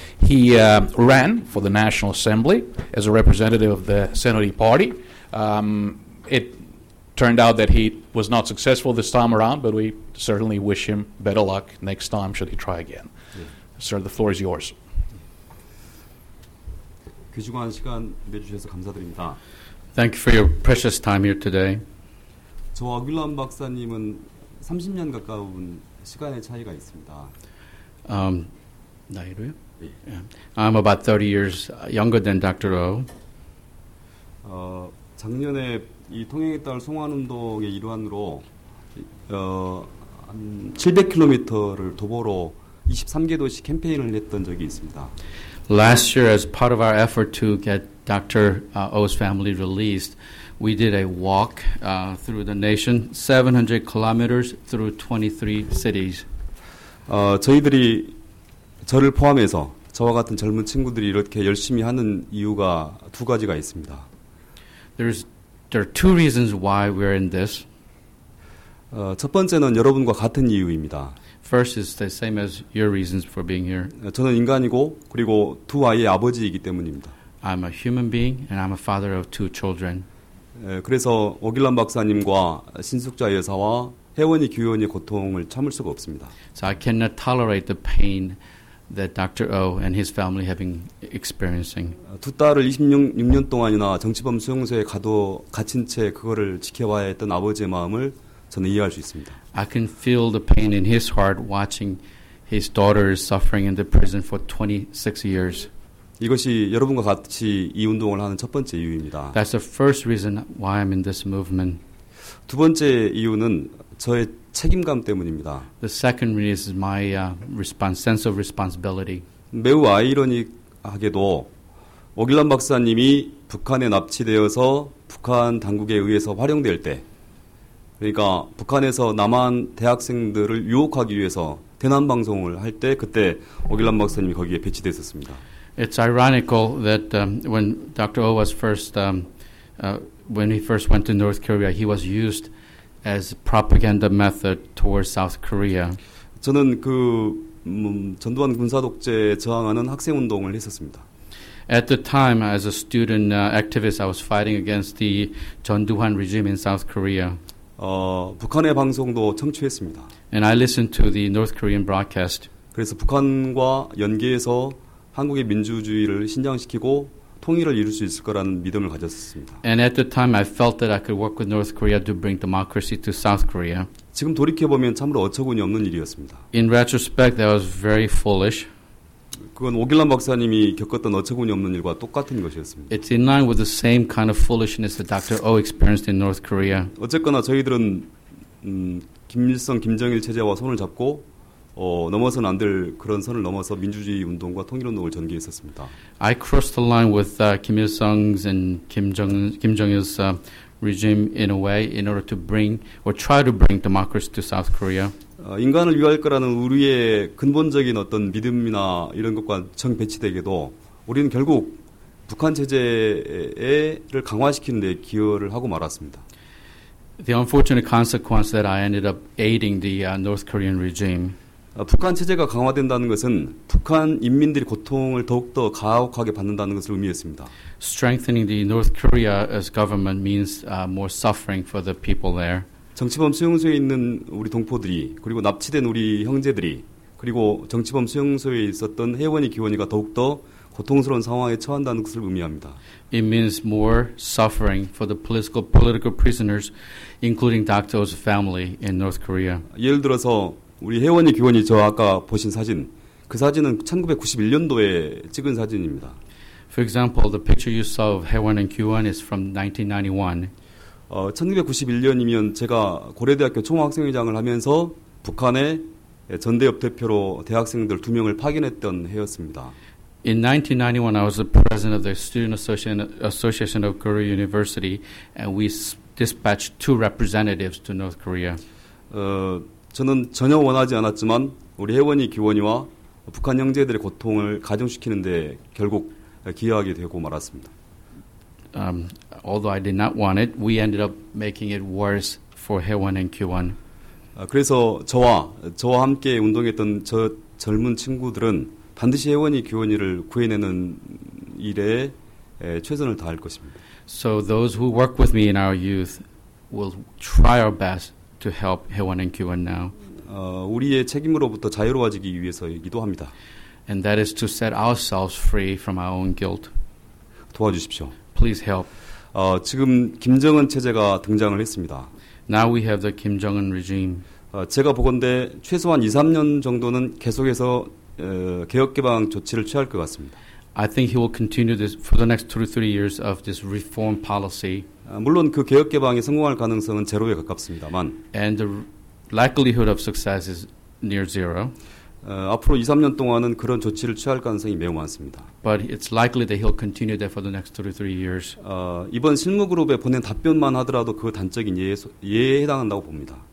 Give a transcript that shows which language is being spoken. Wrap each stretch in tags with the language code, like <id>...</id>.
<en>He ran for the National Assembly as a representative of the Saenuri Party. It turned out that he was not successful this time around, but we certainly wish him better luck next time should he try again. Yeah. Sir, the floor is yours.</en> <ko>귀중한 시간 내주셔서 감사드립니다.</ko> <en>Thank you for your precious time here today.</en> <ko>저와 오길람 박사님은 30년 가까운 시간의 차이가 있습니다. 나이로요? 예.</ko> <en>Yeah. I'm about 30 years younger than Dr. O.</en> <ko>작년에 이 통행에 따른 송환운동의 일환으로 한 700km를 도보로 23개 도시 캠페인을 했던 적이 있습니다.</ko> <en>Last year, as part of our effort to get Dr. O's family released, we did a walk through the nation, 700 kilometers through 23 cities.</en> <ko>저희들이 저를 포함해서 저와 같은 젊은 친구들이 이렇게 열심히 하는 이유가 두 가지가 있습니다.</ko> <en>There are two reasons why we're in this.</en> <ko>첫 번째는 여러분과 같은 이유입니다.</ko> <en>First is the same as your reasons for being here.</en> <ko>저는 인간이고 그리고 두 아이의 아버지이기 때문입니다.</ko> <en>I'm a human being and I'm a father of two children.</en> <ko>그래서 오길란 박사님과 신숙자 여사와 혜원이 규현이 고통을 참을 수가 없습니다.</ko> <en>So I cannot tolerate the pain that Dr. O and his family have been experiencing.</en> <ko>두 딸을 26년 동안이나 정치범 수용소에 갇힌 채 그거를 지켜봐야 했던 아버지의 마음을 저는 이해할 수 있습니다.</ko> <en>I can feel the pain in his heart watching his daughters suffering in the prison for 26 years.</en> <ko>이것이 여러분과 같이 이 운동을 하는 첫 번째 이유입니다.</ko> <en>That's the first reason why I'm in this movement.</en> <ko>두 번째 이유는 저의 책임감 때문입니다.</ko> <en>The second reason is my sense of responsibility.</en> <ko>매우 아이러니하게도 오길란 박사님이 북한에 납치되어서 북한 당국에 의해서 활용될 때 그러니까 북한에서 남한 대학생들을 유혹하기 위해서 대남 방송을 할 때 그때 오길란 박사님이 거기에 배치됐었습니다.</ko> <en>It's ironical that when Dr. Oh was first, when he first went to North Korea, he was used as propaganda method towards South Korea.</en> <ko>저는 그 전두환 군사 독재에 저항하는 학생 운동을 했었습니다.</ko> <en>At the time, as a student activist, I was fighting against the 전두환 regime in South Korea.</en> <ko>북한의 방송도 청취했습니다.</ko> <en>And I listened to the North Korean broadcast.</en> <ko>그래서 북한과 연계해서 한국의 민주주의를 신장시키고 통일을 이룰 수 있을 거라는 믿음을 가졌습니다.</ko> <en>And at the time, I felt that I could work with North Korea to bring democracy to South Korea.</en> <ko>지금 돌이켜 보면 참으로 어처구니 없는 일이었습니다.</ko> <en>In retrospect, that was very foolish.</en> <ko>그건 오길란 박사님이 겪었던 어처구니 없는 일과 똑같은 것이었습니다.</ko> <en>It's in line with the same kind of foolishness that Dr. Oh experienced in North Korea.</en> <ko>어쨌거나 저희들은 김일성, 김정일 체제와 손을 잡고 넘어서는 안 될 그런 선을 넘어서 민주주의 운동과 통일운동을 전개했었습니다.</ko> <en>I crossed the line with Kim Il-sung's and Kim Jong-il's regime in a way in order to bring or try to bring democracy to South Korea.</en> <ko>인간을 위할 거라는 우리의 근본적인 어떤 믿음이나 이런 것과 정배치되게도 우리는 결국 북한 체제를 강화시키는 데 기여를 하고 말았습니다.</ko> <en>The unfortunate consequence that I ended up aiding the North Korean regime.</en> <ko>북한 체제가 강화된다는 것은 북한 인민들이 고통을 더욱더 가혹하게 받는다는 것을 의미했습니다.</ko> <en>Strengthening the North Korea's government means more suffering for the people there.</en> <ko>정치범 수용소에 있는 우리 동포들이 그리고 납치된 우리 형제들이 그리고 정치범 수용소에 있었던 회원이 기원이가 더욱더 고통스러운 상황에 처한다는 것을 의미합니다.</ko> <en>It means more suffering for the political prisoners, including Dr. Oh's family in North Korea.</en> <ko>예를 들어서 우리 회원이 기원이 저 아까 보신 사진, 그 사진은 1991년도에 찍은 사진입니다.</ko> <en>For example, the picture you saw of Haewon and Kyuwon is from 1991.</en> <ko>1991년이면 제가 고려대학교 총학생회장을 하면서 북한의 전대협 대표로 대학생들 두 명을 파견했던 해였습니다.</ko> <en>In 1991, I was the president of the Student Association of Korea University, and we dispatched two representatives to North Korea.</en> <ko>저는 전혀 원하지 않았지만 우리 혜원이 기원이와 북한 형제들의 고통을 가중시키는 데 결국 기여하게 되고 말았습니다.</ko> <en>Although I did not want it, we ended up making it worse for Haewon and Kyuwon.</en> <ko>그래서 저와 함께 운동했던 저 젊은 친구들은 반드시 혜원이 기원이를 구해내는 일에 최선을 다할 것입니다.</ko> <en>So those who work with me in our youth will try our best to help Haewon and Kyuwon now.</en> <ko>우리의 책임으로부터 자유로워지기 위해서 기도합니다.</ko> <en>And that is to set ourselves free from our own guilt.</en> <ko>도와주십시오.</ko> <en>Please help.</en> <ko>지금 김정은 체제가 등장을 했습니다.</ko> <en>Now we have the Kim Jong-un regime.</en> <ko>제가 보건대 최소한 2-3년 정도는 계속해서 개혁개방 조치를 취할 것 같습니다.</ko> <en>I think he will continue this for the next 2-3 years of this reform policy.</en> <ko>물론 그 개혁개방이 성공할 가능성은 제로에 가깝습니다만</ko> <en>And the likelihood of success is near zero.</en> <ko>앞으로 2-3년 동안은 그런 조치를 취할 가능성이 매우 많습니다.</ko> <en>But it's likely that he'll continue that for the next 2-3 years.</en> <ko>이번 실무그룹에 보낸 답변만 하더라도 그 단적인 예에 해당한다고 봅니다.</ko>